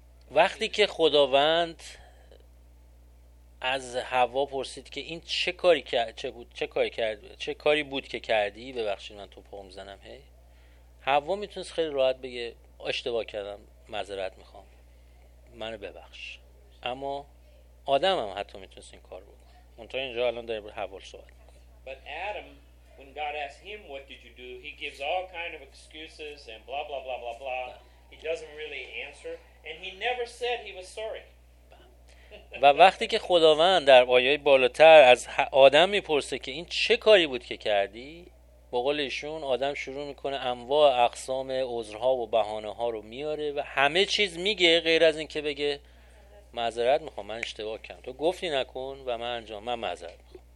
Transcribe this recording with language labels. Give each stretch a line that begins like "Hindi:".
Persian: وقتی که خداوند از حوا پرسید که این چه کاری کرد، چه بود، چه کاری کرد، چه کاری بود که کردی، ببخشید من توپ می‌زنم، هی حوا میتونست خیلی راحت بگه اشتباه کردم، معذرت میخوام، منو ببخش. اما آدم هم حتی میتونست این کار بکنه، اونطور اینجا الان داره حوا صحبت میکنه.
English: But Adam, when God asked him what did you do, he gives all kind of excuses and blah blah blah blah blah. He doesn't really answer. And he never said he was sorry.
Persian: و وقتی که خداوند در آیه بالاتر از آدم میپرسه که این چه کاری بود که کردی، با قول ایشون آدم شروع میکنه انواع اقسام عذرها و بهانه ها رو میاره و همه چیز میگه غیر از این که بگه معذرت میخوام، من اشتباه کردم، تو گفتی نکن و من انجام، من معذرت میخوام.